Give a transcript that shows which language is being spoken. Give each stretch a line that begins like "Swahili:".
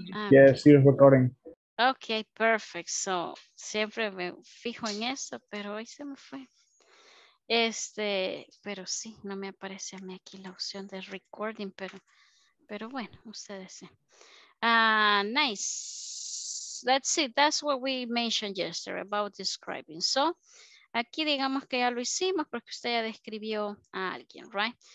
English: Yes, it's recording. Ok, perfect.
Spanish: So, siempre me fijo en eso, pero hoy se me fue. Pero sí, no me aparece a mí aquí la opción de recording, pero bueno, ustedes sí.
English: Nice. Let's see, that's what we mentioned yesterday about describing.
Spanish: So, aquí digamos que ya lo hicimos porque usted ya describió a alguien, right?